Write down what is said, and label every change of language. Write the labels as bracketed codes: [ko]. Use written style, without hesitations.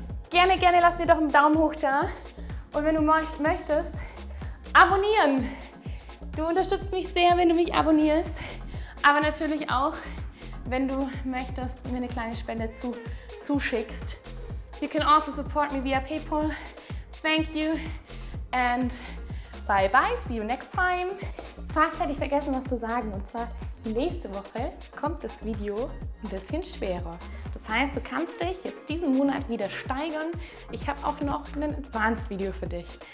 [de] Gerne, gerne lass mir doch einen Daumen hoch da. Und wenn du möchtest, abonnieren. Du unterstützt mich sehr, wenn du mich abonnierst. Aber natürlich auch, wenn du möchtest, mir eine kleine Spende zuschickst. [en] You can also support me via PayPal. Thank you and bye bye, see you next time. [de] Fast hätte ich vergessen, was zu sagen. Und zwar nächste Woche kommt das Video ein bisschen schwerer. Das heißt, du kannst dich jetzt diesen Monat wieder steigern. Ich habe auch noch ein Advanced Video für dich.